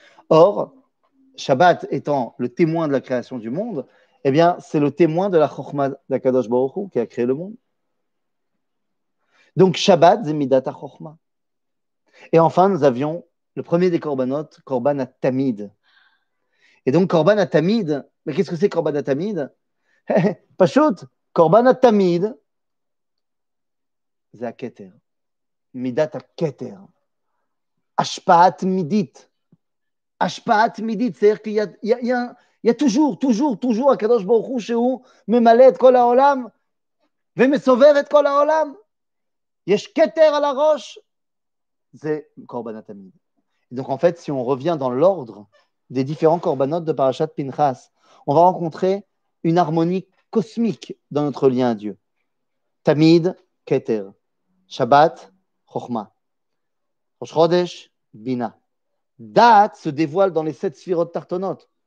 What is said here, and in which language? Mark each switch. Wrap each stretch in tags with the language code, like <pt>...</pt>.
<fr>Or, Shabbat étant le témoin de la création du monde, eh bien, c'est le témoin de la Chochma d'Akadosh Baruch Hu qui a créé le monde. Donc, Shabbat, c'est Midat HaChochma. Et enfin, nous avions le premier des Korbanot, Korban HaTamid. Et donc, Korban HaTamid, mais qu'est-ce que c'est Korban HaTamid?</fr> <he>Pashut, Korban HaTamid, זה הכתר, מידת הכתר, השפעה תמידית, השפעה תמידית, צריך כי יהיה</he> <fr>תוז'ור, תוז'ור, תוז'ור,</fr> <he>הקדוש ברוך הוא שהוא ממלא את כל העולם ומסובב את כל העולם, יש כתר על הראש, זה קורבן התמיד.</he> <fr>Donc en fait, si on revient dans l'ordre des différents korbanot de parashat Pinchas, on va rencontrer une harmonie cosmique dans notre lien à Dieu. Tamid, כתר. Shabbat, Chochma. Rosh Chodesh, Bina. Dat se dévoile dans les sept sphirot tartonot.</fr>